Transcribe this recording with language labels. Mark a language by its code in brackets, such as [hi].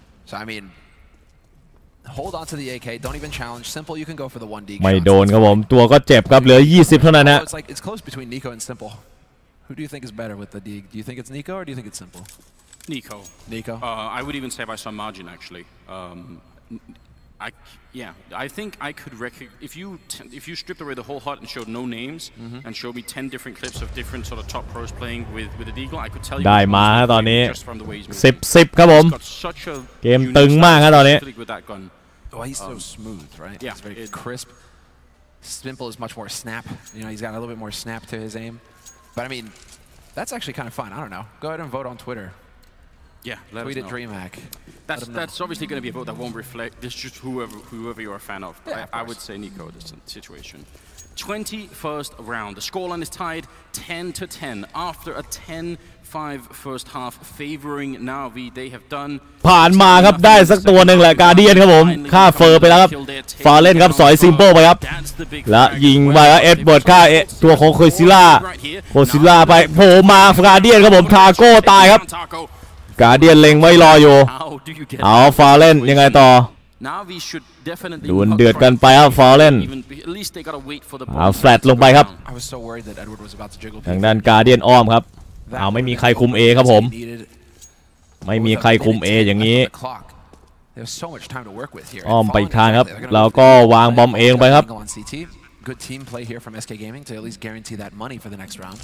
[en] so I mean hold on to the AK don't even challenge simple you can go for the 1D [th] ไม่โดนครับผมตัวก็เจ็บครับเหลือ20เท่านั้นฮะ [en] it's close between Nico and simpleWho do you think is better with the Deagle? Do you think it's Nico or do you think it's Simple? Nico. Nico. I would even say by some margin, actually. I think I could if you stripped away the whole HUD and showed no names mm-hmm. and showed me 10 different clips of different sort of top pros playing with the Deagle, I could tell you. [th] ได้มาตอนนี้10ครับผมเกมตึงมากครับตอนนี้ [en] Oh, he's so smooth, right? Yeah, he's very crisp. Simple is much more snap. You know, he's got a little bit more snap to his aim. But I mean, that's actually kind of fun. I don't know. Go ahead and vote on Twitter. Yeah, let tweet at DreamHack. That's obviously going to be a vote that won't reflect. This just whoever you're a fan of. Yeah, I would say Nico. This situation. 21st round. The scoreline is tied 10-10 after a 10-5 first half favoring Navi. They have done. [th] ผ่านมาครับได้สักตัวนึงแหละ Guardian ครับผมฆ่าเฟอร์ไปแล้วครับฟาเล่นครับสอยซิมโบ้ไปครับและยิงไปแล้วเอ็ดเวิร์ดฆ่าตัวของโคซิล่าโคซิล่าไปโผล่มา Guardian ครับผมทาโก้ตายครับ Guardian เล็งไว้รออยู่เอาฟาเล่นยังไงต่อ [en] Navi should definitely look for it. Even at least they gotta wait for the ball. [th] เอาแฟลตลงไปครับ [en] I was so worried that Edward was about to jiggle. [th] ทางด้านการ์เดียนอ้อมครับเอาไม่มีใครคุม A ครับผมไม่มีใครคุม A อย่างนี้ [en] There's so much time to work with here. [th] อ้อมไปทางครับแล้วก็วางบอมเองไปครับ [en] Good team play here from SK Gaming to at least guarantee that money for the next round.